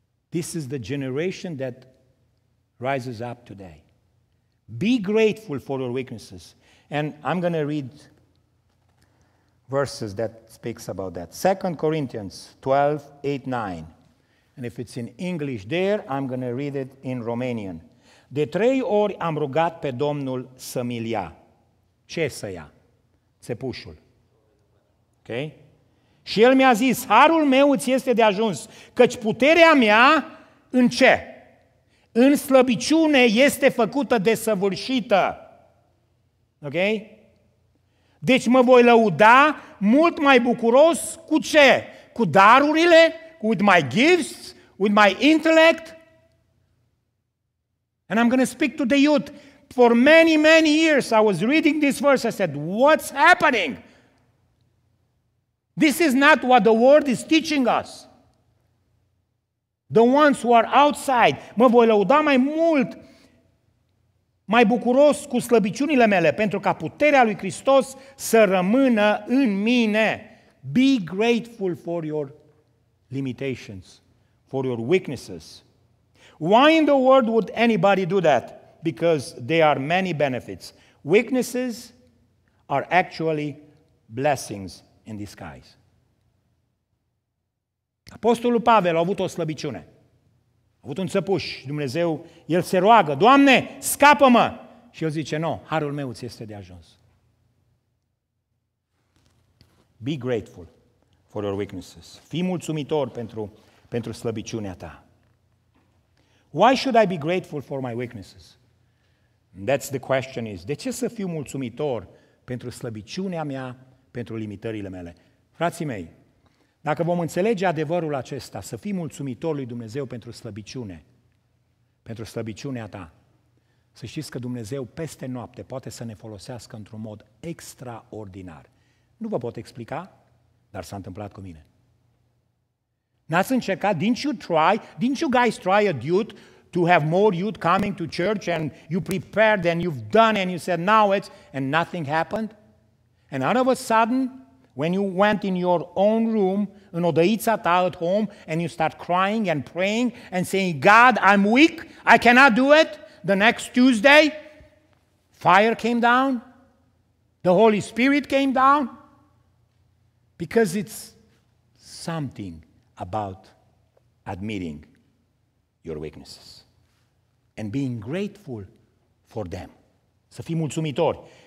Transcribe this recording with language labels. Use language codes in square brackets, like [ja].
[en] This is the generation that rises up today. Be grateful for your weaknesses. And I'm going to read verses that speaks about that. 2 Corinthians 12, 8, 9. And if it's in English there, I'm going to read it in Romanian. [ro] De trei ori am rugat pe Domnul să-mi-l ia. Ce să ia? Țepușul. Ok? Și el mi-a zis, harul meu îți este de ajuns, căci puterea mea în ce? În slăbiciune este făcută desăvârșită. Ok? Deci mă voi lăuda mult mai bucuros cu ce? Cu darurile? [en] With my gifts? With my intellect? And I'm going to speak to the youth. For many, many years I was reading this verse. I said, what's happening? This is not what the world is teaching us. The ones who are outside. [ro] Mă voi lăuda mai mult, mai bucuros cu slăbiciunile mele, pentru ca puterea lui Hristos să rămână în mine. [en] Be grateful for your limitations, for your weaknesses. Why in the world would anybody do that? Because there are many benefits. Weaknesses are actually blessings in disguise. [ro] Apostolul Pavel a avut o slăbiciune. A avut un țăpuș. Dumnezeu, el se roagă, Doamne, scapă-mă! Și el zice, nu, harul meu ți este de ajuns. [en] Be grateful for your weaknesses. [ro] Fii mulțumitor pentru slăbiciunea ta. [en] Why should I be grateful for my weaknesses? That's the question is, [ro] de ce să fiu mulțumitor pentru slăbiciunea mea, pentru limitările mele? Frații mei, dacă vom înțelege adevărul acesta, să fii mulțumitor lui Dumnezeu pentru slăbiciune, pentru slăbiciunea ta, să știți că Dumnezeu peste noapte poate să ne folosească într-un mod extraordinar. Nu vă pot explica, dar s-a întâmplat cu mine. N-ați încercat, [en] didn't you guys try a youth to have more youth coming to church and you prepared and you've done and you said now it's, and nothing happened? And all of a sudden, when you went in your own room, [ro] în odăița ta [en] at home, and you start crying and praying and saying, God, I'm weak, I cannot do it, the next Tuesday, fire came down, the Holy Spirit came down, because it's something about admitting your weaknesses and being grateful for them. [ro] Să fii mulțumitor.